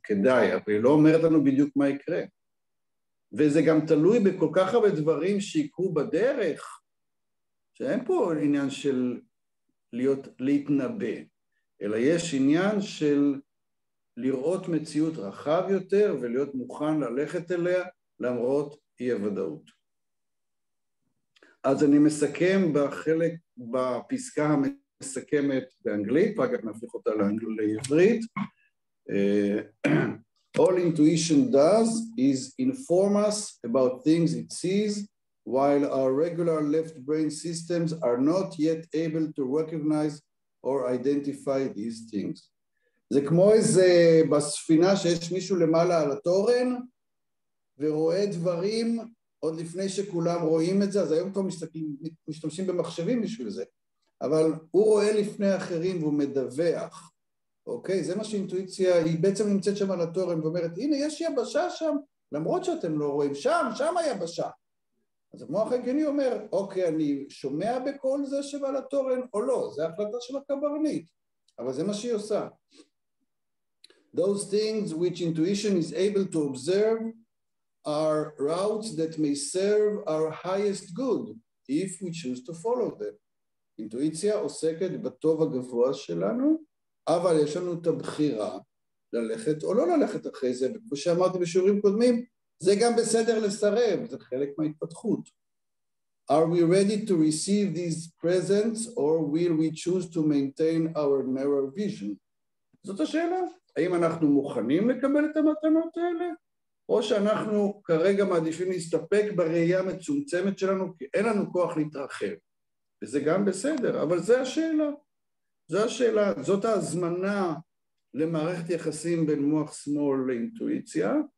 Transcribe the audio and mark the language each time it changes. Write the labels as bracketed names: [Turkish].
[Hebrew] כדאי, אבל היא לא אומרת לנו בדיוק מה יקרה. וזה גם תלוי בכל כך הרבה דברים שיקרו בדרך, שאין פה עניין של להיות, להתנבא, אלא יש עניין של לראות מציאות רחב יותר ולהיות מוכן ללכת אליה למרות אי הוודאות. אז אני מסכם בחלק, בפסקה המסכמת באנגלית, רק אני אפליח אותה לאנגלית לעברית. [English] All intuition does is inform us about things it sees, while our regular left brain systems are not yet able to recognize or identify these things. [Hebrew] זה כמו איזה בספינה שיש מישהו למעלה על התורן ורואה דברים עוד לפני שכולם רואים את זה, אז היום כבר משתמשים במחשבים בשביל זה, אבל הוא רואה לפני אחרים והוא מדווח, אוקיי? זה מה שאינטואיציה, היא בעצם נמצאת שם על התורן ואומרת, הנה יש יבשה שם, למרות שאתם לא רואים, שם, שם היבשה. אז המוח הגיוני אומר, אוקיי, אני שומע בכל זה שבא לתורן או לא, זה החלטה של הקברנית, אבל זה מה שהיא עושה. [English] Those things which intuition is able to observe are routes that may serve our highest good if we choose to follow them. [Hebrew] אינטואיציה עוסקת בטוב הגבוה שלנו, אבל יש לנו את הבחירה ללכת או לא ללכת אחרי זה, וכמו שאמרתי בשיעורים קודמים, זה גם בסדר לסרב, זה חלק מההתפתחות. [English] Are we ready to receive these presents or will we choose to maintain our narrow vision? [Hebrew] זאת השאלה, האם אנחנו מוכנים לקבל את המתנות האלה? או שאנחנו כרגע מעדיפים להסתפק בראייה המצומצמת שלנו, כי אין לנו כוח להתרחב. וזה גם בסדר, אבל זה השאלה. זו השאלה, זאת ההזמנה למערכת יחסים בין מוח שמאל לאינטואיציה.